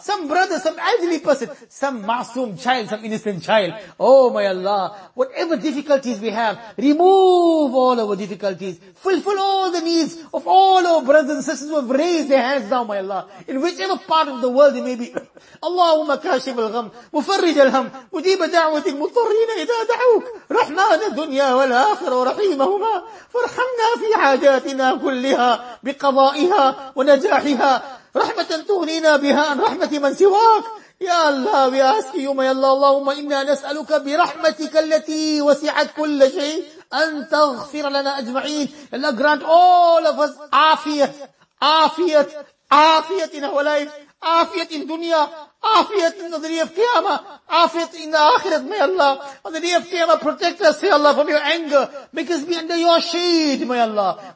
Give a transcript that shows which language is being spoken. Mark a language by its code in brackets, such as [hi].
[en] Some brother, some elderly person. Some masoom child, some innocent child. Oh, my Allah. Whatever difficulties we have, remove all our difficulties. Fulfill all the needs of all our brothers and sisters who have raised their hands now, my Allah. In whichever part of the world they may be. [ar] اللهم كاشف الغم مفرج الهم مجيب دعوة المضطرين إذا دعوك رحمن الدنيا والآخرة ورحيمهما فارحمنا في حاجاتنا كلها بقضائها ونجاحها رحمة تغنينا بها عن رحمة من سواك. يا الله, [en] we ask you, my Allah, [ar] اللهم إنا نسألك برحمتك التي وسعت كل شيء أن تغفر لنا أجمعين. [en] Allah, grant all of us afiyat, afiyat, afiyat in our life. Afiyat in dunya, afiyat in the day of qiyamah, afiyat in the akhirat, may Allah. On the day of qiyamah, protect us, say Allah, from your anger. Make us be under your shade, may Allah.